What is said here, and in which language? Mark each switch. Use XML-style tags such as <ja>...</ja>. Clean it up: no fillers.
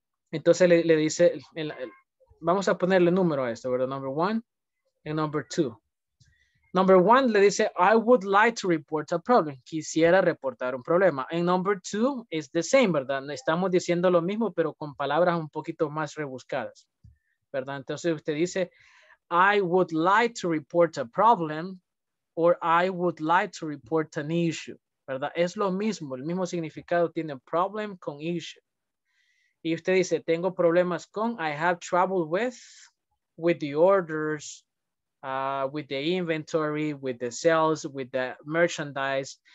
<es>Entonces le dice, vamos a ponerle número a esto, ¿verdad?</es> <en>Number one and number two. Number one</en> <es>le dice,</es> <en>I would like to report a problem.</en> <es>Quisiera reportar un problema.</es> <en>And number two is the same, ¿verdad?</en> <es>Estamos diciendo lo mismo, pero con palabras un poquito más rebuscadas. ¿Verdad? Entonces usted dice,</es> <en>I would like to report a problem or I would like to report an issue.</en> <es>¿Verdad? Es lo mismo, el mismo significado tiene problem con issue. Y usted dice, tengo problemas con,</es> <en>I have trouble with the orders, with the inventory, with the sales, with the merchandise.</en>